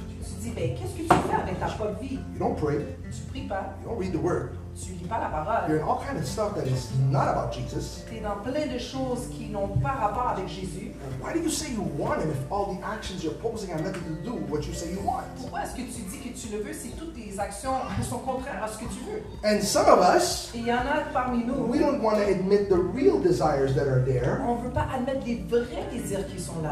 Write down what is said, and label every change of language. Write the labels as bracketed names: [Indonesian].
[French] Tu dis, ben, qu'est-ce que tu fais avec ta propre vie? [English] You don't pray. [French] Tu pries pas. [English] You don't read the word. [French] Tu lis pas la parole. [English] You're in all kinds of stuff that is not about Jesus. [French] T'es dans plein de choses qui n'ont pas rapport avec Jésus. [English] Why do you say you want him if all the actions you're posing have nothing to do with what you say you want? [French] Pourquoi est-ce que tu dis que tu le veux si toutes tes actions sont contraires à ce que tu veux? [English] And some of us, [French] il y en a parmi nous, [English] we don't want to admit the real desires that are there. [French] On veut pas admettre les vrais désirs qui sont là.